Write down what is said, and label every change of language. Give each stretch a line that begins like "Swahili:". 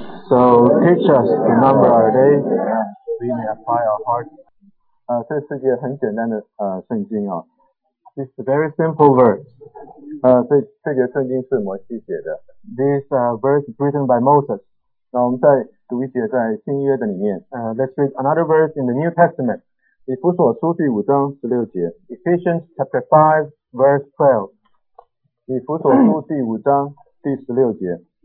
English: So teach us to number our days, and we may apply our hearts.
Chinese: 这是一个很简单的圣经啊。
English: It's a very simple verse.
Chinese: 这节圣经是摩西写的。
English: This verse is written by Moses.
Chinese: 那我们再读一节在新约的里面。
English: Let's read another verse in the New Testament.
Chinese: 以弗所书第五章十六节。
English: Ephesians chapter 5, verse 12.
Chinese: 以弗所书第五章第十六节。